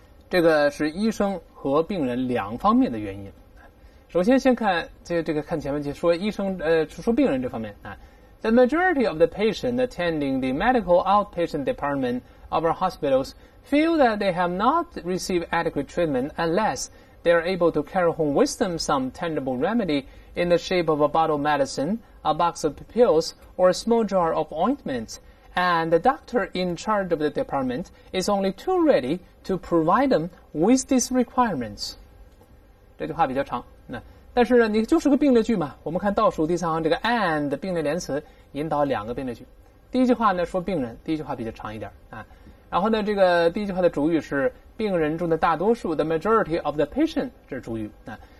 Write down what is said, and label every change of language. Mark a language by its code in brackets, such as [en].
[zh] 这个是医生和病人两方面的原因。首先，先看这个看前面去说医生说病人这方面啊。 [en] The majority of the patients attending the medical outpatient department of our hospitals feel that they have not received adequate treatment unless they are able to carry home with them some tangible remedy in the shape of a bottle of medicine, a box of pills, or a small jar of ointment. And the doctor in charge of the department is only too ready to provide them with these requirements. [zh] 这句话比较长。但是你就是个并列句嘛，我们看倒数第三行这个 and 并列连词引导两个并列句。第一句话呢说病人，第一句话比较长一点啊。然后呢这个第一句话的主语是病人中的大多数 , [en] the majority of the patient, [zh] 这是主语啊。